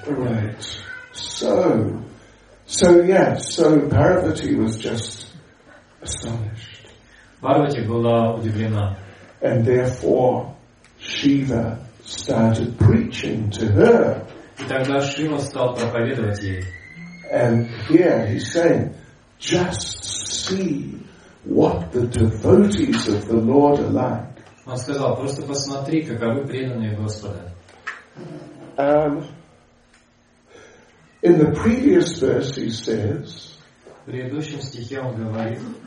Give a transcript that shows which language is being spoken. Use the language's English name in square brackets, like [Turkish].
[English] Right. So Парвати was just astonished. [Russian] Парвати была удивлена. [English] And therefore Шива started preaching to her. [Russian] И тогда Шива стал проповедовать ей. [English] And here he's saying, just see what the devotees of the Lord are like. [Russian] Он сказал, просто посмотри, каковы преданные Господа. [English] In the previous verse he says, [Russian] в предыдущем стихе он говорит,